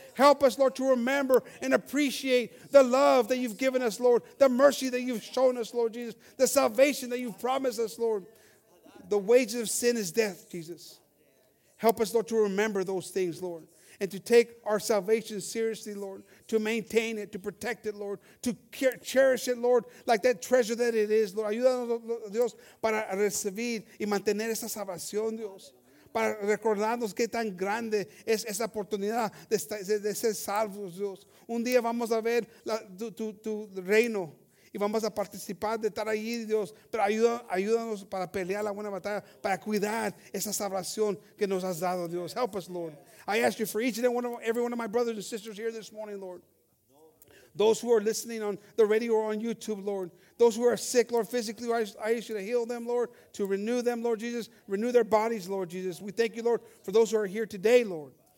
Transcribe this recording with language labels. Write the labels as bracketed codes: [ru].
[en] Help us, Lord, to remember and appreciate the love that you've given us, Lord, the mercy that you've shown us, Lord Jesus, the salvation that you've promised us, Lord. The wages of sin is death, Jesus. Help us, Lord, to remember those things, Lord, and to take our salvation seriously, Lord, to maintain it, to protect it, Lord, to cherish it, Lord, like that treasure that it is, Lord. [es] Ayúdanos, Dios, para recibir y mantener esa salvación, Dios, para recordarnos qué tan grande es esa oportunidad de ser salvos, Dios. Un día vamos a ver tu reino. Y vamos a participar de estar allí, Dios. Pero ayúdanos para pelear la buena batalla, para cuidar esa salvación que nos has dado, Dios. [en] Help us, Lord. I ask you for each and every one of my brothers and sisters here this morning, Lord. Those who are listening on the radio or on YouTube, Lord. Those who are sick, Lord, physically, I ask you to heal them, Lord. To renew them, Lord Jesus. Renew their bodies, Lord Jesus. We thank you, Lord, for those who are here today, Lord.